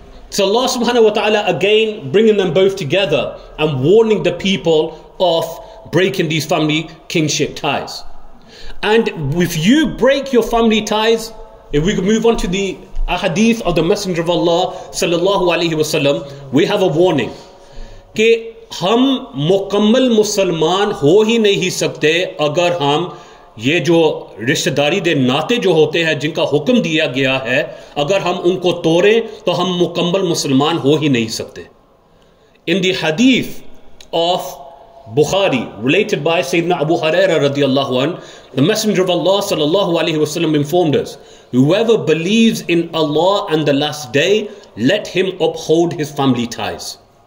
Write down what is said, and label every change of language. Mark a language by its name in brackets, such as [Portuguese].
[English] So Allah subhanahu wa ta'ala again bringing them both together and warning the people of breaking these family kingship ties. And if you break your family ties, if we could move on to the ahadith of the Messenger of Allah sallallahu alayhi wa sallam, we have a warning. [Urdu] کہ ہم مکمل مسلمان ہو ہی نہیں سکتے اگر ہم یہ جو رشتہ داری دے ناطے جو ہوتے ہیں جن کا حکم دیا گیا ہے اگر ہم ان کو توڑیں تو ہم مکمل مسلمان ہو ہی نہیں سکتے. [English] In the hadith of Bukhari related by Sayyidina Abu Huraira radiallahu anhu, the Messenger of Allah sallallahu alayhi wa sallam informed us, whoever believes in Allah and the last day, let him uphold his family ties.